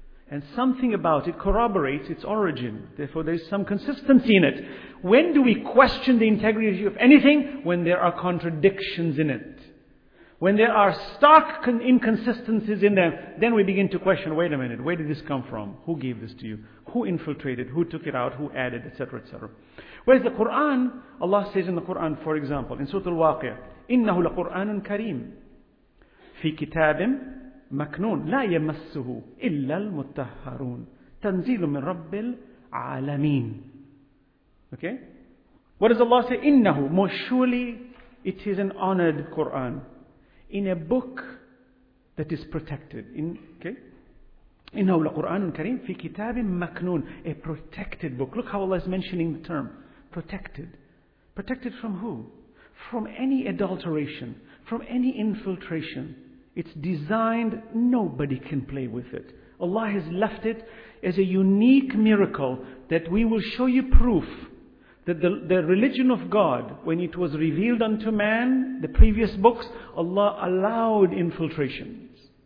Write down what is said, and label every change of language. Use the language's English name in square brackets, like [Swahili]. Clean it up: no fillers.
[English] And something about it corroborates its origin. Therefore there is some consistency in it. When do we question the integrity of anything? When there are contradictions in it. When there are stark inconsistencies in them, then we begin to question, wait a minute, where did this come from? Who gave this to you? Who infiltrated? Who took it out? Who added? Etc., etc. Whereas the Qur'an, Allah says in the Qur'an, for example, in Surah Al-Waqi'ah, [Arabic] إِنَّهُ لَقُرْآنٌ كَرِيمٌ فِي كِتَابٍ مَكْنُونَ لَا يَمَسُّهُ إِلَّا الْمُتَّهَّرُونَ تَنْزِيلٌ مِنْ رَبِّ الْعَالَمِينَ. [English] Okay? What does Allah say? إِنَّهُ, most surely it is an honored Qur'an. In a book that is protected. [Arabic] إِنَّهُ لَقُرْآنٌ كَرِيمٌ فِي كِتَابٍ مَكْنُونَ, [English] a protected book. Look how Allah is mentioning the term. Protected. Protected from who? From any adulteration. From any infiltration. It's designed, nobody can play with it. Allah has left it as a unique miracle that we will show you proof that the religion of God, when it was revealed unto man, the previous books, Allah allowed infiltrations.